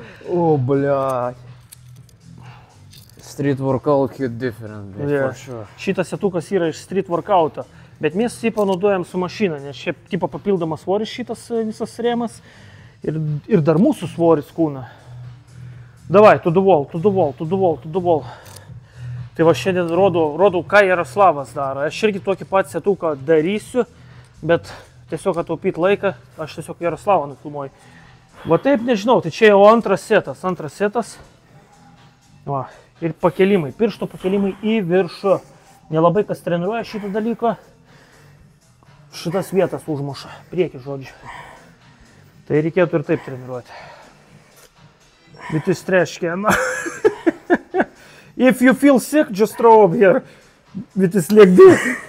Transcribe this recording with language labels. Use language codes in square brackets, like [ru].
[ru] О, блядь. [en] Street workout hit different, [ru] блядь, [en] yeah. For sure. [lt] Šita setukas yra iš street workout'o. Bet mes jį panaudojam su mašina, nes šiaip tipo papildomas svoris šitas visas rėmas. Ir, ir dar mūsų svoris kūna. [ru] Davai, [en] to the wall, to the wall, to the wall, to the wall. [lt] Tai va šiandien rodau, ką Jaroslavas daro. Aš irgi tokį pat setuką darysiu, bet tiesiog ataupyt laiką, aš tiesiog Jaroslavą nufilmuoju. Va taip nežinau, tai čia jau antras setas, antras setas. Va, ir pakelimai, piršto pakelimai į viršų. Nelabai kas treniruoja šitą dalyką. Šitas vietas užmuša, priekį žodžiu. Tai reikėtų ir taip treniruoti. Bet jis treškė, na. [en] If you feel sick, just throw up here with this leg this.